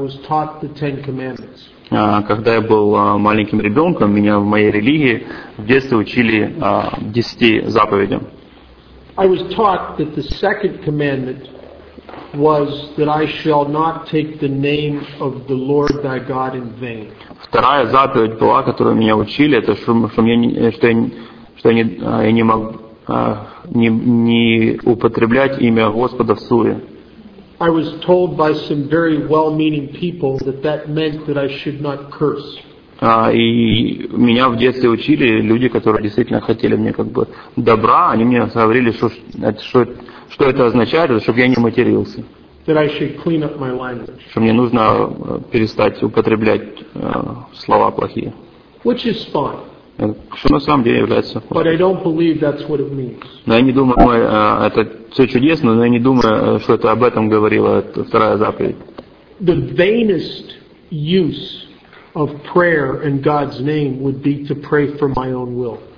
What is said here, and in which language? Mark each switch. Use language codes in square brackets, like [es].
[ru] Когда я был маленьким ребенком, меня в моей религии в детстве учили 10 заповедям. [en] I was taught that the second commandment was that I shall not take the name of the Lord thy God in vain. [ru] Вторая заповедь была, которую меня учили, это что я не могу употреблять имя Господа в суе. [en] I was told by some very well-meaning people that meant that I should not curse. [ru] И меня в детстве учили люди, которые действительно хотели мне как бы добра, они мне говорили, что это означает, чтобы я не матерился. [en] That I should clean up my language. [ru] Что мне нужно перестать употреблять слова плохие. [en] Which is fine. [ru] Что на самом деле является. [en] But I don't believe that's what it means. [ru] Но я не думаю, это все чудесно, но я не думаю, что это об этом говорила вторая заповедь. [en] The vainest use of prayer in God's name would be to pray for my own will.